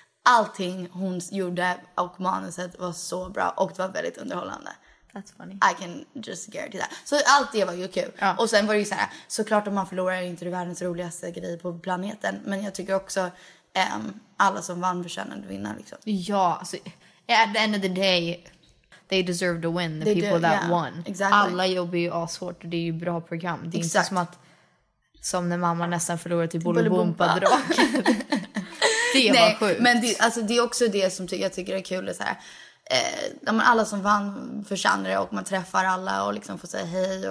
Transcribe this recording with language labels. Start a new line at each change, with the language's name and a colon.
Swedish: Allting hon gjorde och manuset var så bra. Och det var väldigt underhållande.
English: That's funny. I can just guarantee that.
Swedish: Så allt det var ju kul. Ja. Och sen var det ju så här. Såklart om man förlorar är inte det världens roligaste grej på planeten. Men jag tycker också alla som vann förtjänade vinna. Liksom. Ja, så
English: at the end of the day... They deserve to win, the They people do, that yeah. won. Exactly.
Swedish: Alla jobbar ju asvårt och det är ju bra program. Det är
English: exactly.
Swedish: inte som att som när mamma nästan förlorar till Bolibompa drak. Det Nej, var sjukt. Men det, alltså, det är också det som jag tycker är kul. Så här. Alla som vann förtjänar det och man träffar alla och liksom får säga hej.